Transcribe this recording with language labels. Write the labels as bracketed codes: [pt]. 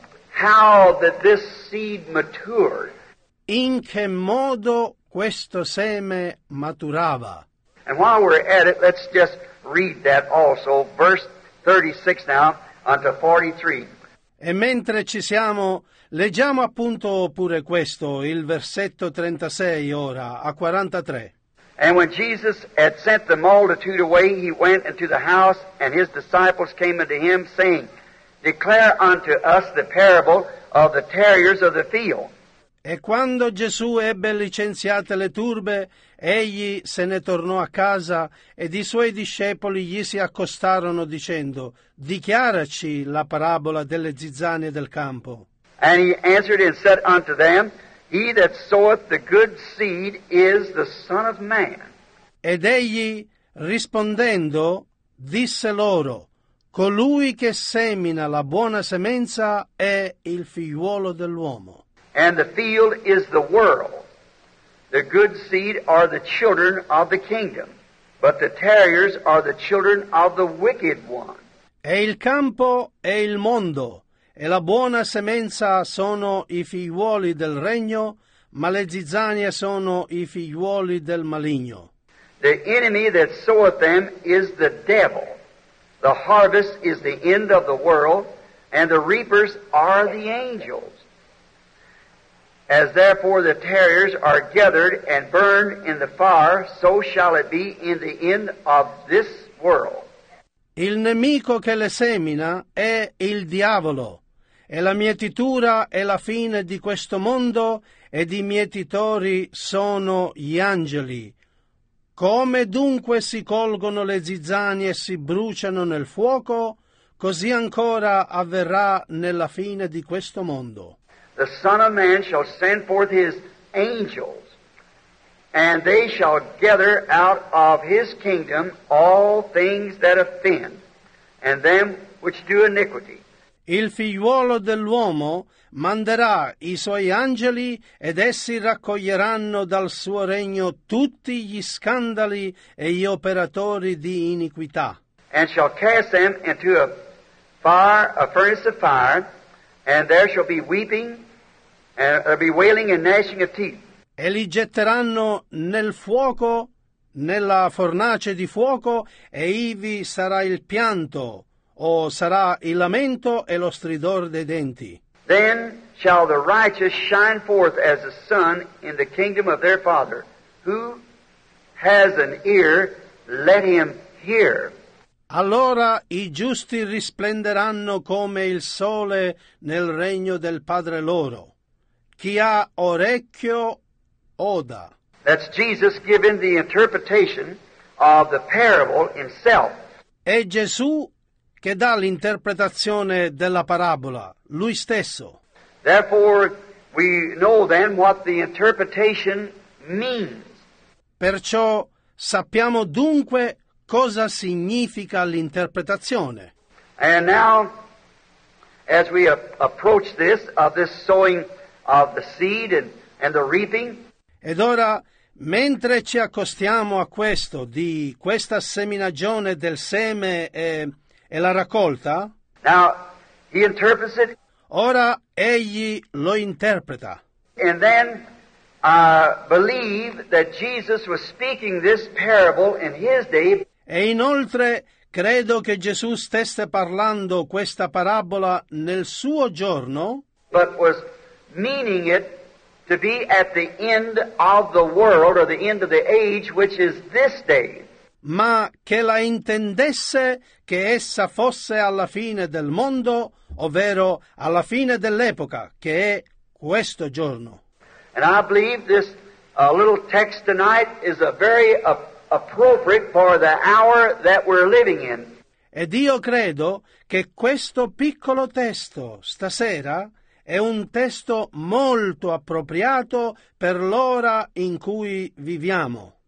[en] How did this seed mature? [it] In che modo questo seme maturava? [en] And while we're at it, let's just read that also, verse 36 now, unto 43. [it] E mentre ci siamo, leggiamo appunto pure questo, il versetto 36 ora, a 43. [en] And when Jesus had sent the multitude away, he went into the house, and his disciples came unto him, saying, Declare unto us the parable of the tares of the field. [it] E quando Gesù ebbe licenziate le turbe, egli se ne tornò a casa, ed i suoi discepoli gli si accostarono dicendo, Dichiaraci la parabola delle zizzanie del campo. [en] And he answered and said unto them, He that soweth the good seed is the Son of Man. [it] Ed egli, rispondendo, disse loro, Colui che semina la buona semenza è il figliuolo dell'uomo. [en] And the field is the world. The good seed are the children of the kingdom, but the tares are the children of the wicked one. [it] E il campo è il mondo. E la buona semenza sono i figliuoli del regno, ma le zizzanie sono i figliuoli del maligno. [en] The enemy that soweth them is the devil. The harvest is the end of the world, and the reapers are the angels. As therefore the tares are gathered and burned in the fire, so shall it be in the end of this world. [it] Il nemico che le semina è il diavolo. E la mietitura è la fine di questo mondo, ed i mietitori sono gli angeli. Come dunque si colgono le zizzanie e si bruciano nel fuoco, così ancora avverrà nella fine di questo mondo. [en] The Son of Man shall send forth his angels, and they shall gather out of his kingdom all things that offend, and them which do iniquity. [it] Il figliuolo dell'uomo manderà i suoi angeli ed essi raccoglieranno dal suo regno tutti gli scandali e gli operatori di iniquità. [en] And shall cast them into a fire, a furnace of fire, And there shall be weeping, and there'll be wailing and gnashing of teeth. [it] E li getteranno nel fuoco, nella fornace di fuoco, e ivi sarà il pianto, o sarà il lamento e lo stridor dei denti. [en] Then shall the righteous shine forth as the sun in the kingdom of their Father. Who has an ear, let him hear. [it] Allora i giusti risplenderanno come il sole nel regno del Padre loro. Chi ha orecchio, oda. [en] That's Jesus giving the interpretation of the parable himself. [it] È Gesù che dà l'interpretazione della parabola, lui stesso. [en] Therefore, we know then what the interpretation means. [it] Perciò sappiamo dunque cosa significa l'interpretazione. [en] And now, as we approach this, of this sowing of the seed and the reaping. [it] Ed ora, mentre ci accostiamo a questo, di questa seminagione del seme e la raccolta, [en] now, he interprets it. [it] Ora egli lo interpreta. [en] And then, I believe that Jesus was speaking this parable in his day. [it] E inoltre, credo che Gesù stesse parlando questa parabola nel suo giorno, [en] but was meaning it to be at the end of the world, or the end of the age, which is this day. [it] Ma che la intendesse che essa fosse alla fine del mondo, ovvero alla fine dell'epoca, che è questo giorno. [en] And I believe this little text tonight is a very appropriate for the hour that we're living in. [it] Ed io credo che questo piccolo testo stasera è un testo molto appropriato per l'ora in cui viviamo.